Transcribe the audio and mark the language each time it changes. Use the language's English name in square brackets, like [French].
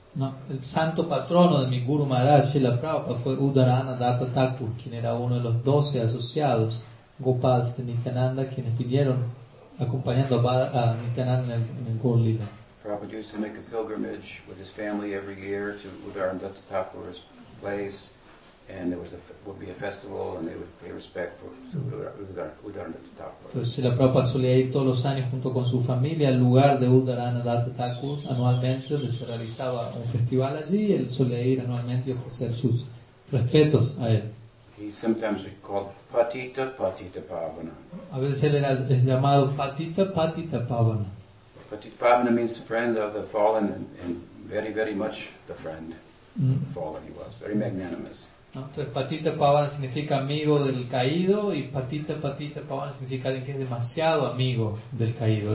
[Spanish] No, el santo patrono de mi Guru Maharaj, Srila Prabhupada, fue Udharananda Thakur, quien era uno de los 12 asociados Gopals de Nityananda, quienes pidieron acompañando a Nityananda en Gaurlila. [English] Prabhupada used to make a pilgrimage with his family every year to Udharananda Thakur's place, and there would be a festival, and they would pay respect for Udharananda Thakur. [Spanish] Entonces, Srila Prabhupada solía ir todos los años junto con su familia al lugar de Udharananda Thakur anualmente, donde se realizaba un festival allí, y él solía ir anualmente y ofrecer sus respetos a él. [English] He sometimes be called Patita Patita Pavana. [Spanish] A veces él era llamado Patita Patita Pavana. [English] Patitpavana means friend of the fallen, and very, very much the friend of the fallen he was. Very magnanimous. [Spanish] Entonces, Patitpavana significa amigo del caído, y Patita Patita Pavana significa alguien que es demasiado amigo del caído.